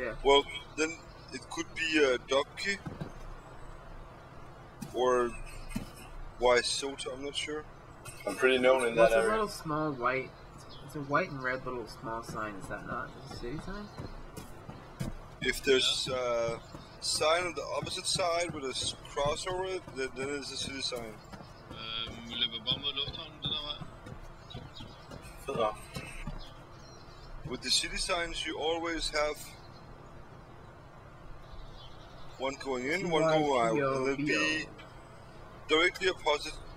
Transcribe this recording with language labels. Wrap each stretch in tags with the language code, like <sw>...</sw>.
<en>Yeah. Well, then it could be a Dubki or Wysota. I'm not sure. I'm pretty known in that area. A little small white. It's a white and red little small sign. Is that not a city sign? If there's a sign on the opposite side with a cross over it, then it's a city sign.</en> <da>Vi løber bare mod lufthavnen den her vej. Fedra.</da> <en>With the city signs, you always have one going in, one going out, and it'll be directly opposite</en>